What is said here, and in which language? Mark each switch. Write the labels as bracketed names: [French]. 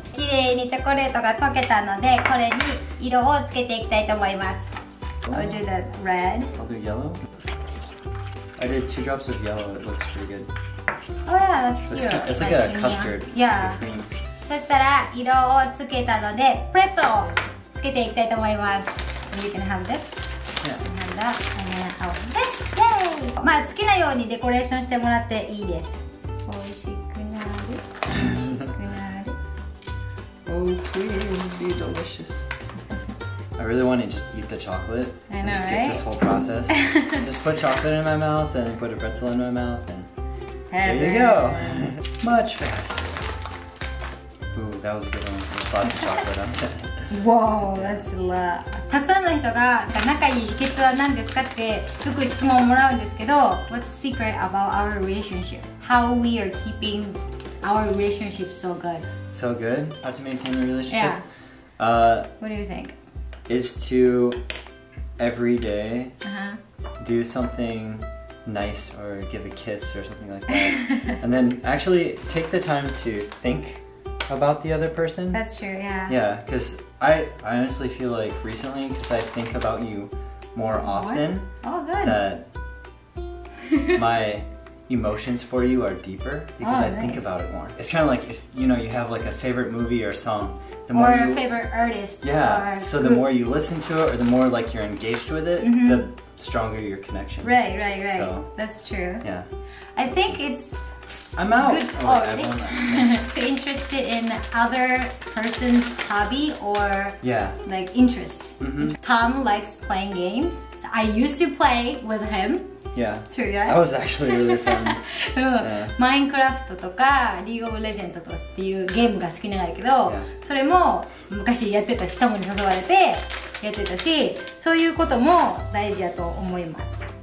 [Japanese] 綺麗にチョコレートが溶けたので、これに色をつけていきたいと思います。 [English] Oh. I'll do the red. I'll do yellow. I did 2 drops of yellow. It looks pretty good. Oh yeah, that's cute. It's like a custard. Yeah. [Japanese] そしたら色をつけたので、プレッツォをつけていきたいと思います。 [English] You can have this. Yeah. And that, and then I'll have this. [Japanese] まあ好きなようにデコレーションしてもらっていいです。美味しくなる、美味しくなる。 [English] Oh please be delicious. I really want to just eat the chocolate. I know, right? Skip this whole process. Just put chocolate in my mouth and put a pretzel in my mouth and there you go. Much faster. Ooh, that was a good one. There's lots of chocolate on it. Wow, that's a lot. [Japanese] たくさんの人が仲いい秘訣は何ですかってよく質問をもらうんですけど [English] What's secret about our relationship? How we are keeping our relationship so good? So good? How to maintain a relationship? Yeah. What do you think? Is to every day do something nice or give a kiss or something like that. And then actually take the time to think about the other person. That's true, yeah. Yeah, because... I honestly feel like recently, because I think about you more often,、 oh, good. that my emotions for you are deeper because、 oh, I、 nice. think about it more. It's kind of like if you know, you have like a favorite movie or song, the more or you, a favorite artist. Yeah, so the more you listen to it or the more like you're engaged with it,、 mm-hmm. the stronger your connection. Right. So, that's true. Yeah. I think it's. I'm out. Good to be interested in other person's hobby or、 yeah. like interest.、 Mm-hmm. Tom likes playing games.、So、I used to play with him. Yeah. True, right? That was actually really fun. 、 yeah. [Japanese] Minecraft とか League of Legends とかっていうゲームが好きなんだけど、 [English] yeah. [Japanese] それも昔やってたし、トムに誘われてやってたし、そういうことも大事だと思います。